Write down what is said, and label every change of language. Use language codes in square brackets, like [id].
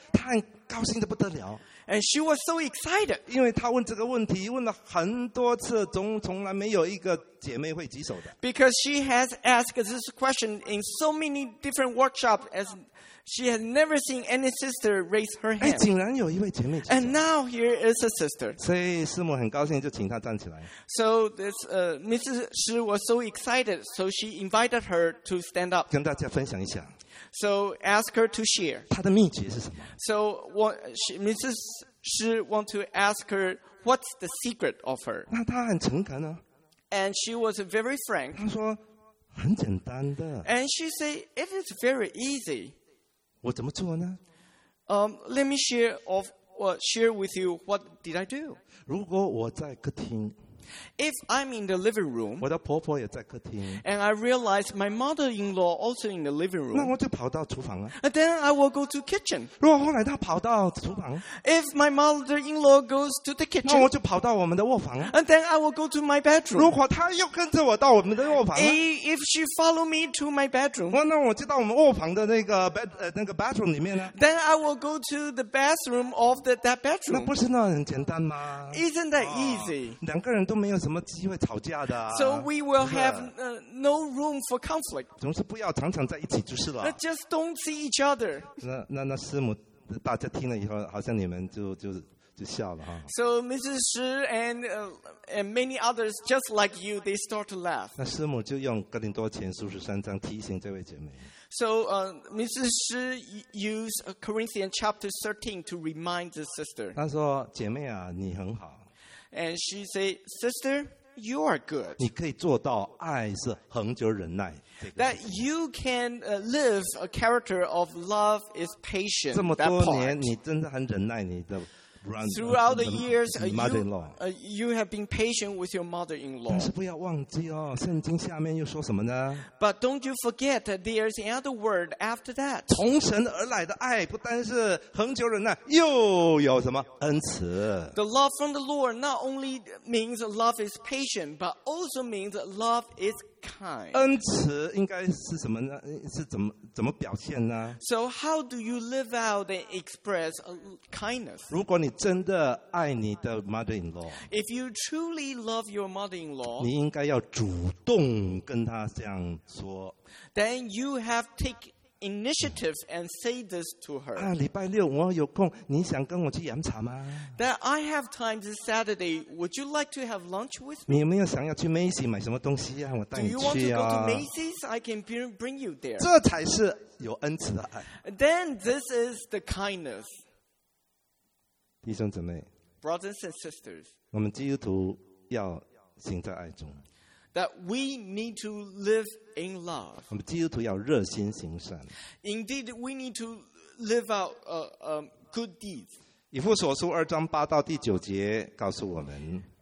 [zh] 她很高兴得不得了。 [en] And she was so excited. [zh] 因为她问这个问题问了很多次，从来没有一个姐妹会举手的。 [en] Because she has asked this question in so many different workshops, as she has never seen any sister raise her hand. [zh] 竟然有一位姐妹举手。 [en] And now here is a sister. [zh] 所以师母很高兴，就请她站起来。 [en] So this Mrs. Shi was so excited, so she invited her to stand up. [zh] 跟大家分享一下。 [en] So ask her to share. [zh] 她的秘诀是什么？ [en] So what Mrs. Shi want to ask her, what's the secret of her? [zh] 那她很诚恳呢。 [en] And she was very frank. [zh] 她说很简单的。 [en] And she say it is very easy. [zh] 我怎么做呢？ [en] Let me share with you what did I do. [zh] 如果我在客厅。 [en] If I'm in the living room, [zh] 我的婆婆也在客厅。 [en] And I realize my mother-in-law also in the living room. [zh] 那我就跑到厨房了。 [en] Then I will go to kitchen. [zh] 如果后来她跑到厨房。 [en] If my mother-in-law goes to the kitchen. [zh] 那我就跑到我们的卧房。 [en] And then I will go to my bedroom. [zh] 如果她又跟着我到我们的卧房了。 [en] If she follow me to my bedroom. [zh] 那我就到我们卧房的那个 bedroom 里面了。 [en] Then I will go to the bathroom of that bedroom. [zh] 那不是那很简单吗？ [en] Isn't that easy? [zh] 两个人都没有什么机会吵架的、 [en] So we will have no room for conflict. [zh] 总是不要常常在一起就是了。 [en] Just don't see each other. [zh] 那师母，大家听了以后，好像你们就笑了哈。 [en] So Mrs. Shi and many others just like you, they start to laugh. [zh] 那师母就用哥林多前书十三章提醒这位姐妹。 [en] So Mrs. Shi used Corinthians chapter 13 to remind the sister. [zh] 她说：“姐妹啊，你很好。” [en] And she say, "Sister, you are good." [zh] 你可以做到爱是恒久忍耐。 [en] That you can live a character of love is patient. [zh] 这么多年，你真的很忍耐你的 [en] Throughout the years, you have been patient with your mother-in-law. [zh] 但是不要忘记哦，圣经下面又说什么呢？ [en] But don't you forget that there's another word after that. [zh] 从神而来的爱不单是恒久忍耐，又有什么恩慈？ [en] The love from the Lord not only means love is patient, but also means love is kind. [zh] 恩慈应该是什么呢？是怎么表现呢？ [en] So how do you live out and express kindness? [zh] 如果你真的爱你的 mother-in-law, [en] if you truly love your mother-in-law, [zh] 你应该要主动跟她这样说。 [en] Then you have take initiative and say this to her. [zh] 啊，礼拜六我有空，你想跟我去饮茶吗？ [en] That I have time this Saturday, would you like to have lunch with [zh] me? 你有没有想要去 Macy 买什么东西啊？我带你去啊。 [en] Do you want to go to Macy's? I can bring you there. [zh] 这才是有恩慈的爱。 [en] Then this is the kindness. [zh] 弟兄姊妹 [en] Brothers and sisters, [zh] 我们基督徒要行在爱中 [en] that we need to live in love. [zh] 我们基督徒要热心行善 [en] Indeed, we need to live out good deeds. [zh] 以弗所书二章八到第九节告诉我们